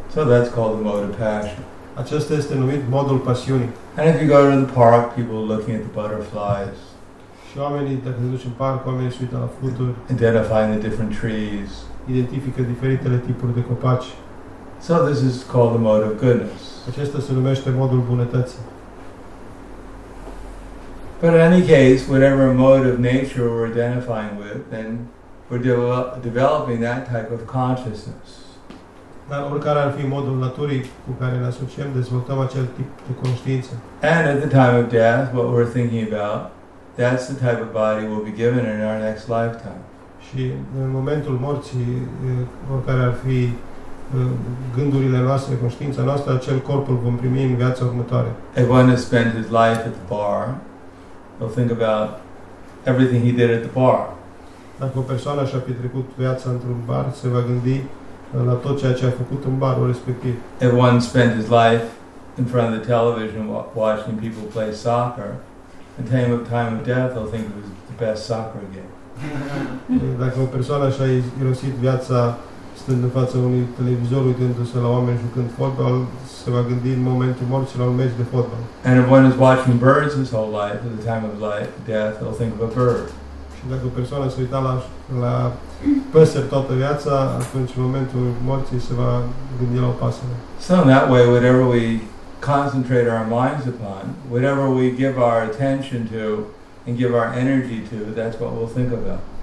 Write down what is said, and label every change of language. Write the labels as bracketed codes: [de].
[en] So that's called the mode of passion. [ro] Acesta este numit modul pasiunii. [en] And if you go to the park, people are looking at the butterflies. [ro] Și oamenii, dacă se duce în parc, oamenii se uită la fluturi. [en] Identifying the different trees. [ro] Identifică diferitele tipuri de copaci. [en] So this is called the mode of goodness. [ro] Acesta se numește modul bunătății. [en] But in any case, whatever mode of nature we're identifying with, then we're developing that type of consciousness. [ro] Dar oricare ar fi modul naturii cu care ne asociem, dezvoltăm acel tip de conștiință. [en] And at the time of death, what we're thinking about, that's the type of body we'll be given in our next lifetime. [ro] Și în momentul morții, oricare ar fi gândurile noastre, conștiința noastră, acel corp îl vom primi în viața următoare. [en] If one has spent his life at the bar, he'll think about everything he did at the bar. [ro] Dacă o persoană și-a petrecut viața într-un bar, se va gândi la tot ceea ce a făcut în barul respectiv. [en] If one spent his life in front of the television watching people play soccer, in time of death, they'll think it was the best soccer game. [ro] Dacă o persoană și-a irosit viața stând în fața unui televizor uitându-se la oameni jucând fotbal, se va gândi în momentul morții la un meci de fotbal. [en] And if one is watching birds his whole life, at the time of death, they'll think of a bird. [ro] Și dacă o persoană se uita la păsări toată viața, atunci în momentul morții se va gândi la o pasăre. [en] So in that way, whatever we concentrate our minds upon, whatever we give our attention to and give our energy to, that's what we'll think about.